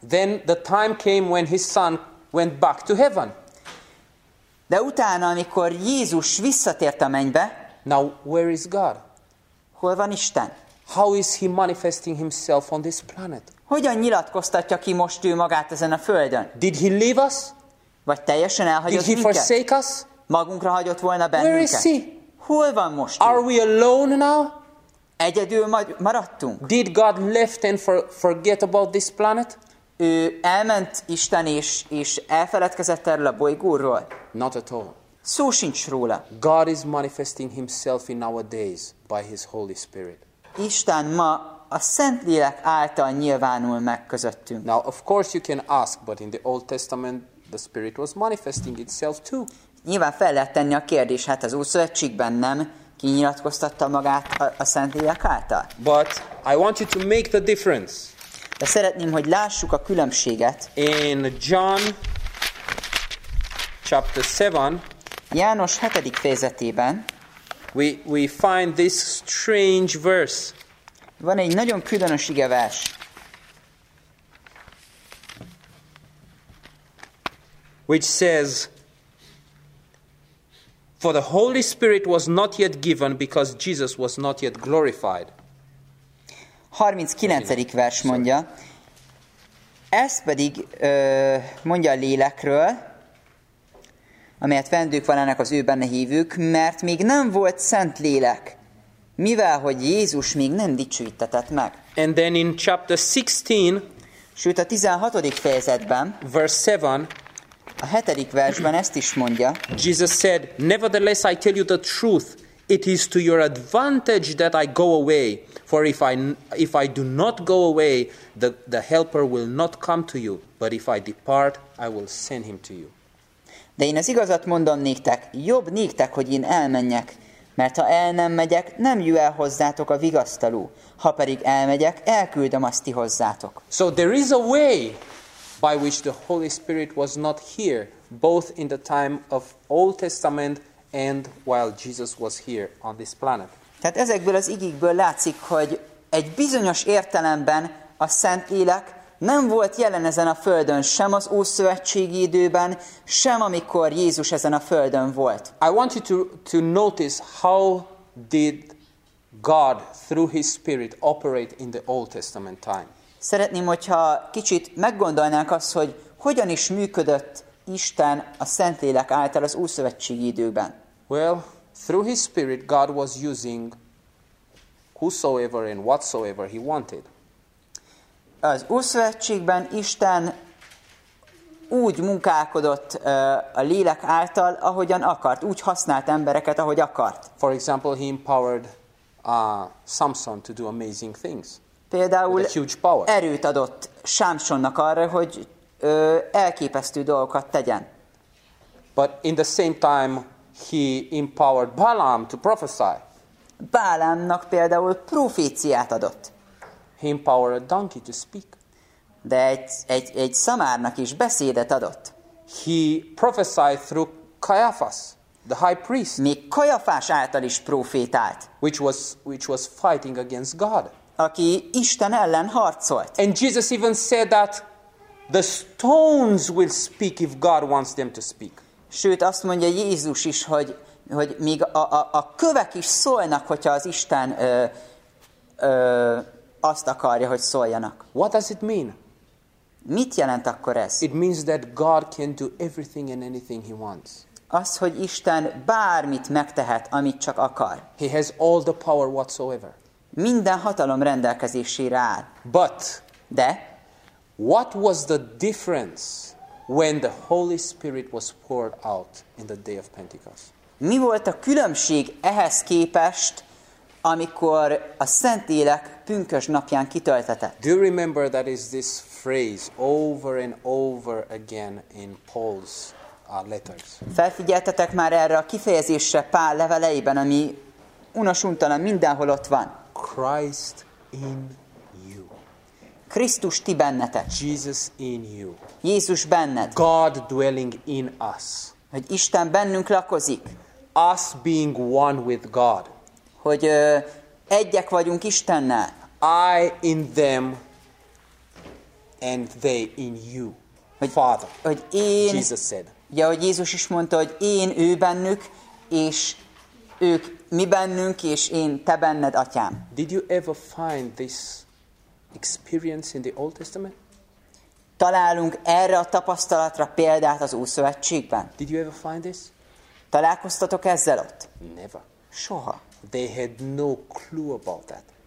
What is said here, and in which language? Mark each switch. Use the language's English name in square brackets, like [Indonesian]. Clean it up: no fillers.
[English] Then the time came when his son went back to heaven. [Hungarian] De utána, amikor Jézus visszatért a mennybe, [English] now where is God? [Hungarian] Hol van Isten? [English] How is he manifesting himself on this planet? [Hungarian] Hogyan nyilatkoztatja ki most ő magát ezen a földön? [English] Did he leave us? [Hungarian] Vagy teljesen elhagyott minket? [English] Did he forsake us? [Hungarian] Magunkra hagyott volna bennünket? [English] Where is he? [Hungarian] Hol van most ő? [English] Are we alone now? [Hungarian] Egyedül maradtunk. [English] Did God left and forget about this planet? [Hungarian] Ő elment Isten és elfeledkezett erről a bolygóról. [English] Not at all. [Hungarian] Szó sincs róla. [English] God is manifesting himself in our days by his Holy Spirit. [Hungarian] Isten ma a Szentlélek által nyilvánul meg közöttünk. [English] Now of course you can ask, but in the Old Testament the Spirit was manifesting itself too. [Hungarian] Nyilván fel lehet tenni a kérdés, hát az Ószövetségben nem kinyilatkoztatta magát a Szentlélek által. [English] But I want you to make the difference. [Hungarian] De szeretném, hogy lássuk a különbséget. [English] In John chapter 7, [Hungarian] János 7. fejezetében [English] we find this strange verse. [Hungarian] Van egy nagyon különös igevers. [English] Which says, for the Holy Spirit was not yet given because Jesus was not yet glorified. [Hungarian] 39. vers mondja, ez pedig mondja a lélekről, amelyet vendők van ennek az ő benne hívők, mert még nem volt szent lélek, mivel hogy Jézus még nem dicsőítetett meg. [English] And then in chapter 16, [Hungarian] sőt a 16. fejezetben, [English] verse 7, [Hungarian] a 7. versben ezt is mondja, [English] Jesus said, nevertheless I tell you the truth, it is to your advantage that I go away, for if I do not go away, the helper will not come to you, but if I depart, I will send him to you. [Hungarian] De én az igazat mondom néktek, jobb néktek, hogy én elmenjek, mert ha el nem megyek, nem jöjj el hozzátok a vigasztaló, ha pedig elmegyek, elküldöm azt ti hozzátok. [English] So there is a way by which the Holy Spirit was not here, both in the time of Old Testament and while Jesus was here on this planet. [Hungarian] Tehát ezekből az igékből látszik, hogy egy bizonyos értelemben a Szentlélek nem volt jelen ezen a földön, sem az Ószövetségi időben, sem amikor Jézus ezen a földön volt. [English] I want you to notice how did God through his spirit operate in the Old Testament time. [Hungarian] Szeretném, hogyha kicsit meggondolnánk azt, hogy hogyan is működött Isten a Szentlélek által az Ószövetségi időben. [English] Well, through his spirit God was using whosoever and whatsoever he wanted. [Hungarian] Az Ószövetségben Isten úgy munkálkodott a lélek által, ahogyan akart, úgy használt embereket, ahogy akart. [English] For example, he empowered Samson to do amazing things. [Hungarian] Például erőt adott Sámsonnak arra, hogy elképesztő dolgokat tegyen. [English] But in the same time he empowered Balaam to prophesy. [Hungarian] Balaamnak például proféciát adott. [English] He empowered a donkey to speak. [Hungarian] De egy szamárnak is beszédet adott. [English] He prophesied through Caiaphas, the high priest. [Hungarian] Még Kajafás által is profétált. [English] Which was fighting against God. [Hungarian] Aki Isten ellen harcolt. [English] And Jesus even said that the stones will speak if God wants them to speak. [Hungarian] Sőt, azt mondja Jézus is, hogy még a kövek is szólnak, hogyha az Isten azt akarja, hogy szóljanak. [English] What does it mean? [Hungarian] Mit jelent akkor ez? [English] It means that God can do everything and anything he wants. [Hungarian] Az, hogy Isten bármit megtehet, amit csak akar. [English] He has all the power whatsoever. [Hungarian] Minden hatalom rendelkezésére áll. [English] But [Hungarian] de [English] what was the difference when the Holy Spirit was poured out in the day of Pentecost? [Hungarian] Mi volt a különbség ehhez képest, amikor a Szentlélek pünkös napján kitöltetett? [English] Do you remember that is this phrase over and over again in Paul's letters? [Hungarian] Felfigyeltetek már erre a kifejezésre Pál leveleiben, ami unosuntalan mindenhol ott van. [English] Christ in you. [Hungarian] Krisztus ti bennetek. [English] Jesus in you. [Hungarian] Jézus benned. [English] God dwelling in us. [Hungarian] Hogy Isten bennünk lakozik. [English] Us being one with God. [Hungarian] Hogy egyek vagyunk Istennel. [English] I in them and they in you. [Hungarian] Hogy, [English] Father. [Hungarian] Hogy én, [English] Jesus said. [Hungarian] Ja, hogy Jézus is mondta, hogy én ő bennük és ők mi bennünk és én te benned, Atyám. [English] Did you ever find this experience in the Old Testament? [Hungarian] Találunk erre a tapasztalatra példát az Ószövetségben? [English] Did you ever find this? [Hungarian] Találkoztatok ezzel ott? [English] Never. [Hungarian] Soha. [English] They had no clue about that.